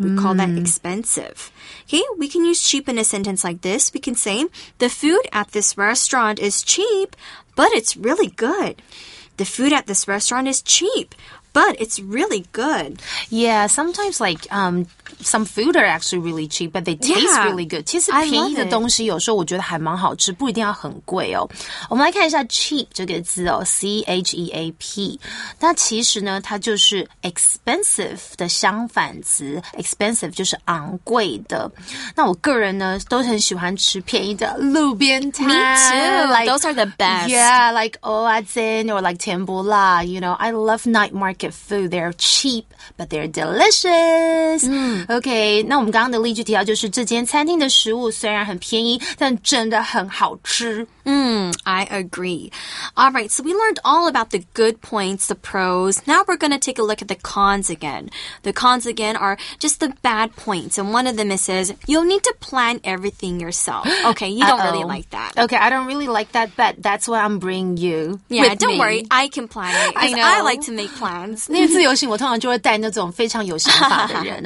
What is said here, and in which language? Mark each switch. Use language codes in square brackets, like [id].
[en] We call that expensive. Okay, we can use cheap in a sentence like this. We can say, the food at this restaurant is cheap,But it's really good. The food at this restaurant is cheap, but it's really good. Yeah, sometimes like, some food are actually really cheap, but they taste really good. [zh] 其实便宜的东西有时候我觉得还蛮好吃，不一定要很贵哦。我们来看一下 cheap 这个字哦 ,C-H-E-A-P。那其实呢它就是 expensive 的相反词 ,expensive 就是昂贵的。那我个人呢都很喜欢吃便宜的路边摊。 [en] Me too, like, those are the best. Yeah, like Oazin or like Tembula, you know, I love night market food. They're cheap, but they're delicious. [zh] OK, 那我们刚刚的例句提到就是这间餐厅的食物虽然很便宜但真的很好吃。 [en] I agree. All right, so we learned all about the good points, the pros. Now we're going to take a look at the cons again. The cons again are just the bad points. And one of them is you'll need to plan everything yourself. OK, you don't really like that. OK, I don't really like that, but that's why I'm bringing you. Yeah, don't worry, I can plan it. I know. I like to make plans. [zh] 因为自由行我通常就会带那种非常有想法的人。